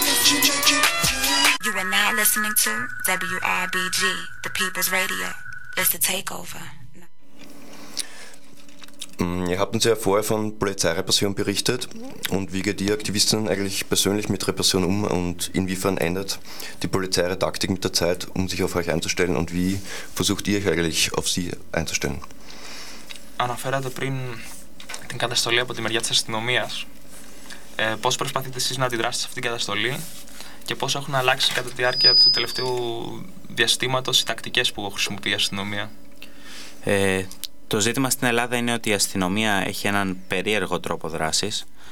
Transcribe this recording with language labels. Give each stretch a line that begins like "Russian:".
English: You are now listening to WRBG, the People's Radio. It's the takeover.
German: Ihr habt uns ja vorher von Polizeirepression berichtet. Und wie geht ihr Aktivistinnen eigentlich persönlich mit Repression um und inwiefern ändert die Polizei ihre Taktik mit der Zeit, um sich auf euch einzustellen? Und wie versucht ihr euch eigentlich auf sie einzustellen?
Greek: Αναφέρατε πριν την καταστολή από τη μεριά της αστυνομίας. Πώς προσπαθείτε εσείς να αντιδράσετε σε αυτήν την καταστολή και πώς έχουν αλλάξει κατά τη διάρκεια του τελευταίου διαστήματος οι τακτικές που χρησιμοποιεί η αστυνομία? Το ζήτημα στην Ελλάδα είναι ότι η αστυνομία έχει έναν περίεργο τρόπο δράσης.